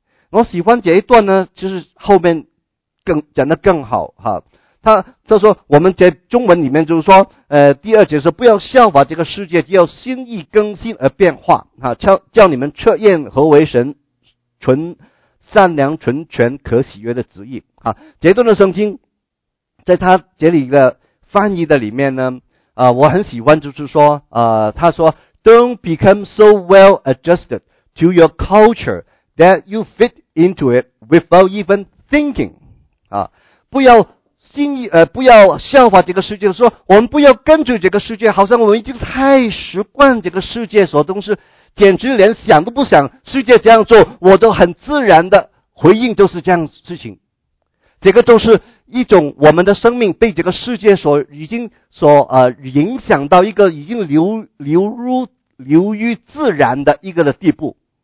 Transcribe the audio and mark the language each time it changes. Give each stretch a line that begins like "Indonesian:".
Chinese: 我喜欢这一段呢，就是后面更讲得更好哈。他说，我们在中文里面就是说，第二节说，不要效法这个世界，要心意更新而变化，哈，叫你们测验何为神纯善良纯全可喜悦的旨意，哈。这段的圣经，在他这里的翻译的里面呢，我很喜欢，就是说，他说 ，
English: Don't become so well adjusted to your culture that you fit into it without even thinking，
Chinese: 啊，不要。不要效法这个世界，说我们不要跟着这个世界，好像我们已经太习惯这个世界所东西，简直连想都不想，世界这样做我都很自然的回应，就是这样事情。这个都是一种我们的生命被这个世界所已经所影响到一个已经流于自然的一个的地步。